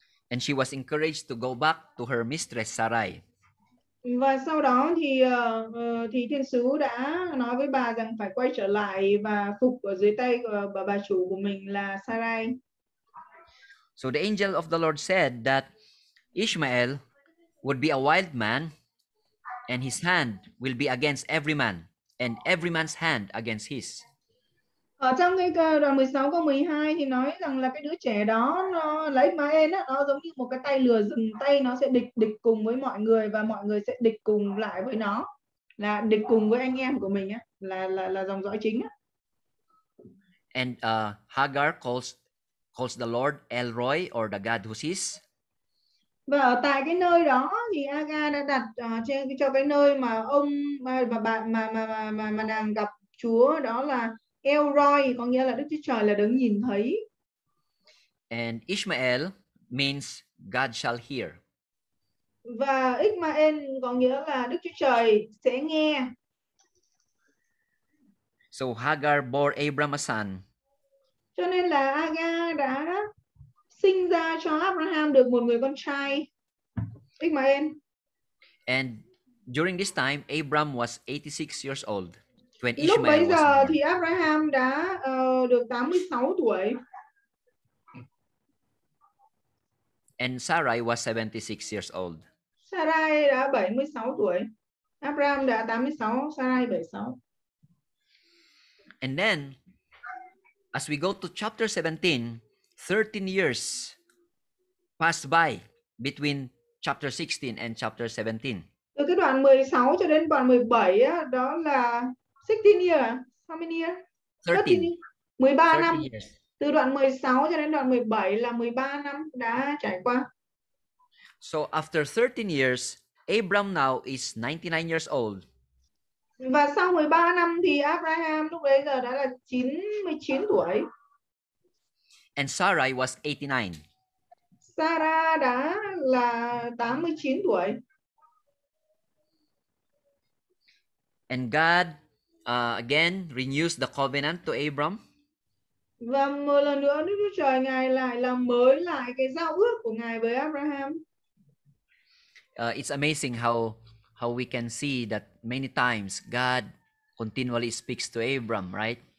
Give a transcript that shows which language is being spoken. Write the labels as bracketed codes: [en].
[en] And she was encouraged to go back to her mistress Sarai. [vi] Và sau đó thì thiên sứ đã nói với bà rằng phải quay trở lại và phục ở dưới tay của bà chủ của mình là Sarai. [en] So the angel of the Lord said that Ishmael would be a wild man and his hand will be against every man and every man's hand against his. [vi] Ở trong cái đoạn 16 câu 12 thì nói rằng là cái đứa trẻ đó nó lấy má em á, nó giống như một cái tay lừa rừng, tay nó sẽ địch cùng với mọi người và mọi người sẽ địch cùng lại với nó, là địch cùng với anh em của mình á, là dòng dõi chính á. [en] And Hagar calls the Lord El Roy or the God who sees. [vi] Và ở tại cái nơi đó thì Aga đã đặt trên cho cái nơi mà ông và bạn mà nàng gặp Chúa, đó là El Roy, có nghĩa là Đức Chúa Trời là đứng nhìn thấy. [en] And Ishmael means God shall hear. [vi] Và Ishmael có nghĩa là Đức Chúa Trời sẽ nghe. [en] So Hagar bore Abraham a son. [vi] Cho nên là Aga đã sinh ra cho Abraham được một người con trai, Ishmael. [en] And during this time, Abraham was 86 years old. [vi] Lúc bấy giờ thì Abraham đã được 86 tuổi. [en] And Sarai was 76 years old. [vi] Sarai đã 76 tuổi. Abraham đã 86, Sarai 76. [en] And then, as we go to chapter 17, 13 years passed by between chapter 16 and chapter 17. [vi] Từ cái đoạn 16 cho đến đoạn 17 á, đó là [en] 16 years. How many years? 13. [vi] 13 năm. Từ đoạn 16 cho đến đoạn 17 là 13 năm đã trải qua. [en] So after 13 years, Abraham now is 99 years old. [vi] Và sau 13 năm thì Abraham lúc đấy giờ đã là 99 tuổi. [en] And Sarai was 89. [vi] Sarah đã là 89 tuổi. [en] And God again renews the covenant to Abram. [vi] Và một lần nữa Đức Chúa Trời Ngài lại làm mới lại cái giao ước của Ngài với Abraham. [en] It's amazing how we can see that many times God continually speaks to Abram, right?